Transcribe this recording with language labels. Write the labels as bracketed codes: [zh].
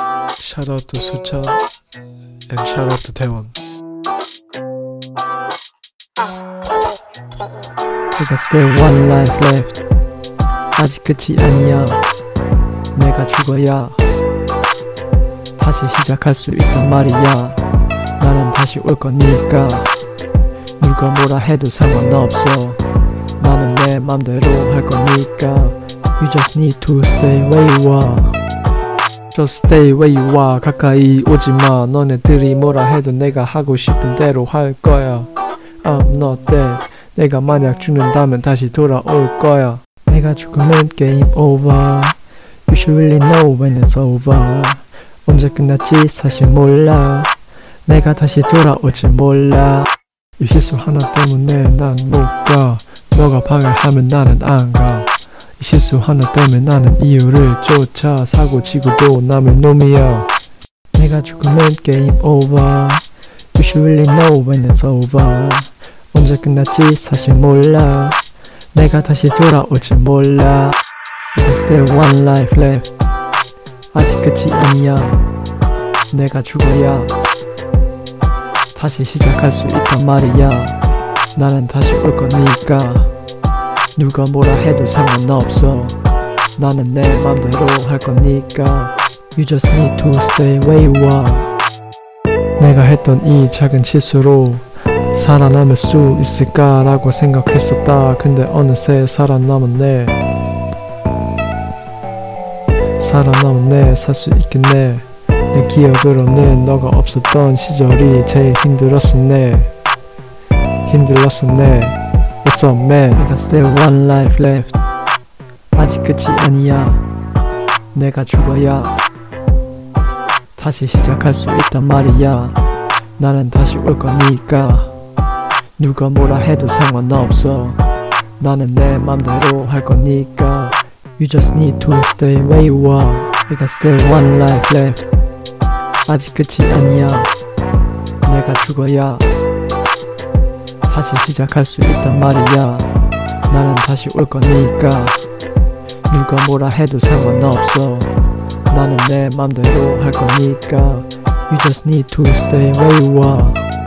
[en] shout out to Sucha and shout out to Taewon. We got still one life left. [ko] 아직 끝이 아니야. 내가 죽어야 다시 시작할 수 있단 말이야. 나는 다시 올 거니까 누가 뭐라 해도 상관없어. 나는 내 맘대로 할 거니까. [en] You just need to stay where you are. Just stay where you are. [ko] 가까이 오지마. 너네들이 뭐라 해도 내가 하고 싶은 대로 할 거야. [en] I'm not dead. [ko] 내가 만약 죽는다면 다시 돌아올 거야. 내가 죽으면 게임 over. [en] You should really know when it's over. [ko] 언제 끝났지 사실 몰라. 내가 다시 돌아올지 몰라. 이 실수 하나 때문에 난 못 가. 너가 방해하면 나는 안 가. 이 실수 하나 때문에 나는 이유를 쫓아. 사고 치고도 남은 놈이야. 내가 죽으면 게임 over. [en] You should really know when it's over. [ko] 언제 끝났지 사실 몰라. 내가 다시 돌아올지 몰라. [en] There's still one life left. [ko] 아직 끝이 아니야. 내가 죽어야 다시 시작할 수 있단 말이야. 나는 다시 올 거니까 누가 뭐라 해도 상관없어. 나는 내 맘대로 할 거니까. [en] You just need to stay where you are. [ko] 내가 했던 이 작은 실수로 살아남을 수 있을까라고 생각했었다. 근데 어느새 살아남았네. 살아남았네. 살 수 있겠네. 내 기억으로는 너가 없었던 시절이 제일 힘들었었네. 힘들었었네. [en] What's up, man? I got still one life left. [ko] 아직 끝이 아니야. 내가 죽어야 다시 시작할 수 있단 말이야. 나는 다시 올 거니까 누가 뭐라 해도 상관없어. 나는 내 맘대로 할 거니까. [en] You just need to stay where you are. I got still one life left. [ko] 아직 끝이 아니야. 내가 죽어야 다시 시작할 수 있단 말이야. 나는 다시 올 거니까 누가 뭐라 해도 상관없어. 나는 내 맘대로 할 거니까. [en] You just need to stay where you are.